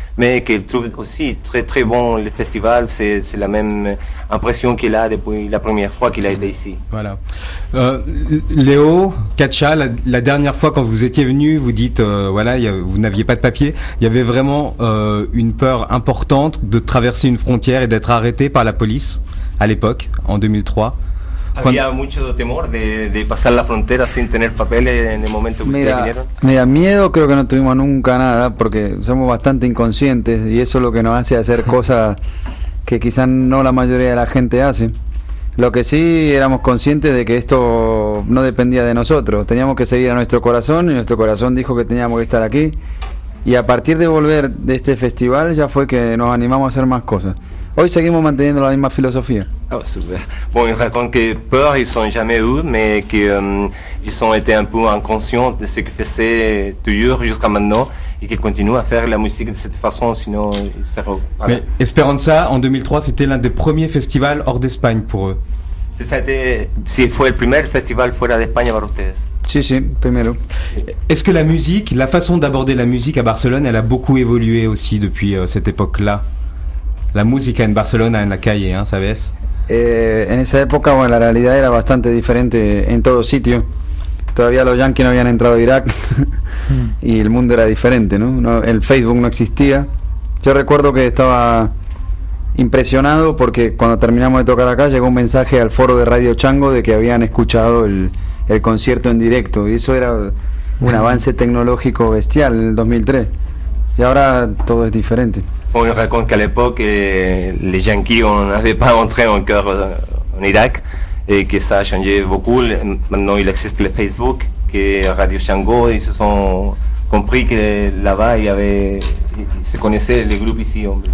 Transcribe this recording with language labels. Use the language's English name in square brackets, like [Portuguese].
[French] Mais qu'ils trouvent aussi très très bon le festival, c'est la même impression qu'il a depuis la première fois qu'il a été ici. Voilà. Léo, Katcha, la dernière fois quand vous étiez venu, vous dites, voilà, vous n'aviez pas de papier. Il y avait vraiment une peur importante de traverser une frontière et d'être arrêté par la police à l'époque, en 2003. [Spanish] Había mucho temor de pasar la frontera sin tener papeles en el momento que ustedes vinieron. Mira, miedo creo que no tuvimos nunca nada, porque somos bastante inconscientes y eso es lo que nos hace hacer cosas que quizás no la mayoría de la gente hace. Lo que sí éramos conscientes de que esto no dependía de nosotros. Teníamos que seguir a nuestro corazón y nuestro corazón dijo que teníamos que estar aquí. Y a partir de volver de este festival ya fue que nos animamos a hacer más cosas. Hoy seguimos manteniendo la misma filosofía. [French] Oh, super. Bueno, ils racontent que peur, ils ont jamais eu, mais que ils ont été un peu inconscients de ce que faisaient toujours jusqu'à maintenant et qu'ils continuent à faire la musique de cette façon, sinon ils seraient... Voilà. Mais Esperanza, en 2003, c'était l'un des premiers festivals hors d'Espagne pour eux. C'est ça, c'était le premier festival fuera d'Espagne pour vous. [Spanish] Si, si, primero. [French] Est-ce que la musique, la façon d'aborder la musique à Barcelone, elle a beaucoup évolué aussi depuis cette époque-là? [Spanish] La música en Barcelona en la calle, ¿eh? ¿Sabes? En esa época, bueno, la realidad era bastante diferente en todo sitio. Todavía los yanquis no habían entrado a Irak y el mundo era diferente, ¿no? ¿No? El Facebook no existía. Yo recuerdo que estaba impresionado porque cuando terminamos de tocar acá llegó un mensaje al foro de Radio Chango de que habían escuchado el concierto en directo y eso era un avance tecnológico bestial en el 2003. Y ahora todo es diferente. [French] On raconte qu'à l'époque, les Yankees n'avaient pas entré encore en Irak et que ça a changé beaucoup. Maintenant, il existe le Facebook, que Radio Chango, ils se sont compris que là-bas, ils se connaissaient les groupes ici.